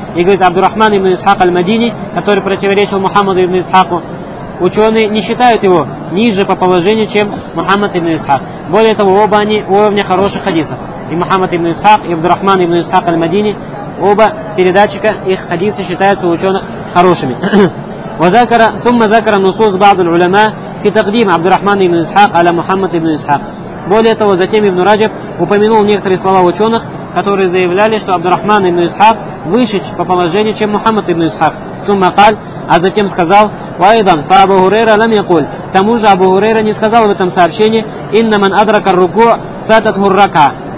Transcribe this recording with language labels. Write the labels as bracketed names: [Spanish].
[Russian] И говорит, Абдурахман ибн Исхак аль-Мадини, который противоречил Мухаммаду ибн Исхаку, ученые не считают его ниже по положению, чем Мухаммад ибн Исхак. Более того, оба они уровня хороших хадисов. И Мухаммад ибн Исхак, и Абдурахман ибн Исхак аль-Мадини, оба передатчика их хадисы считаются у ученых хорошими. [Arabic] وذكر ثم ذكر نصوص بعض العلماء في تقديم عبد الرحمن بن إسحاق على محمد بن إسحاق. [Russian] Более того, затем Ибн Раджаб упомянул некоторые слова ученых, которые заявляли, что عبد الرحمن بن إسحاق выше по положению, чем محمد بن إسحاق. [Arabic] ثم قال, [Russian] а затем сказал, [Arabic] وأيضا فأبو هريرة لم يقول. [Russian] К тому же Абу Хурейра не сказал в этом сообщении, [Arabic] إن من أدرك الركوع فاتته الركعة.